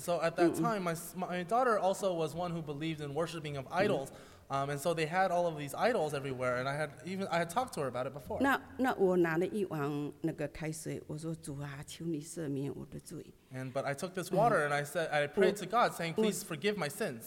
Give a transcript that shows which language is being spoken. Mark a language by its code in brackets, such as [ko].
[en] so at that time, my daughter also was one who believed in worshiping of idols, and so they had all of these idols everywhere, and I had talked to her about it before. [zh] 那我拿了一碗那个开水，我说主啊，求你赦免我的罪。And [en] but I took this water and I prayed to God saying, please forgive my sins.